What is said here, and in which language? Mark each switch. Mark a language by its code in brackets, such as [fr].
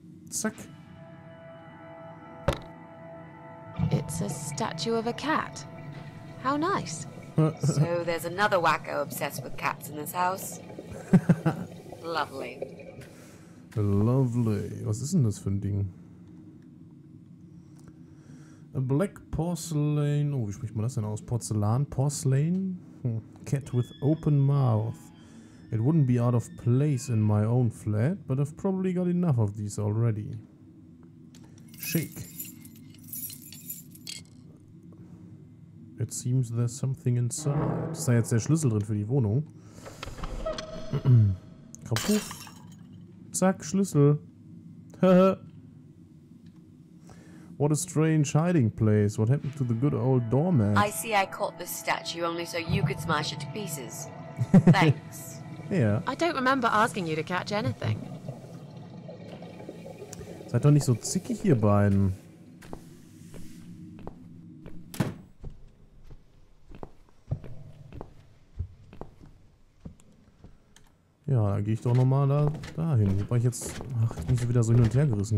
[en] Zack. It's a statue of a cat. How nice. So there's another wacko obsessed with cats in this house. Lovely. Lovely. Was ist denn das für ein Ding? A black porcelain. [de] Oh, wie spricht man das denn aus? [en] Porzellan? Porcelain? Cat with open mouth. It wouldn't be out of place in my own flat, but I've probably got enough of these already. [de] Schick. [en] It seems there's something inside. [de] Das ist jetzt der Schlüssel drin für die Wohnung. Kapuff. Zack, Schlüssel. [en] What a strange hiding place. What happened to the good old doorman? I see I caught this statue only so you could smash it to pieces. Thanks. Yeah. I don't remember asking you to catch anything. [de] Seid doch nicht so zickig, ihr beiden. Ja, dann gehe ich doch nochmal da hin. Wobei ich jetzt. Ach, ich bin schon wieder so hin und her gerissen.